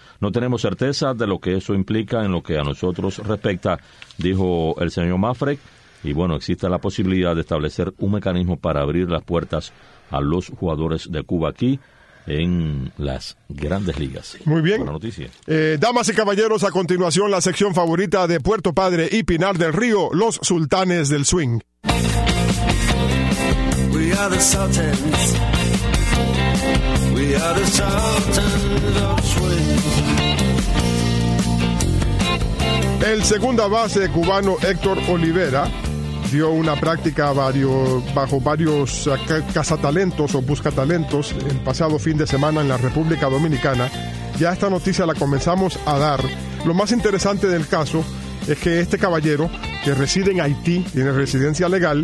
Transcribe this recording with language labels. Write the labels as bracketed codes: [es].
[es] No tenemos certeza de lo que eso implica en lo que a nosotros respecta, dijo el señor Manfred, y bueno, existe la posibilidad de establecer un mecanismo para abrir las puertas a los jugadores de Cuba aquí, en las Grandes Ligas. Muy bien. Buena noticia. Damas y caballeros, a continuación la sección favorita de Puerto Padre y Pinar del Río, los Sultanes del Swing. [en] We are the Sultans. We are the Sultans of Swing. [es] El segunda base cubano Héctor Olivera dio una práctica bajo varios cazatalentos o buscatalentos el pasado fin de semana en la República Dominicana. Ya esta noticia la comenzamos a dar. Lo más interesante del caso es que este caballero, que reside en Haití, tiene residencia legal.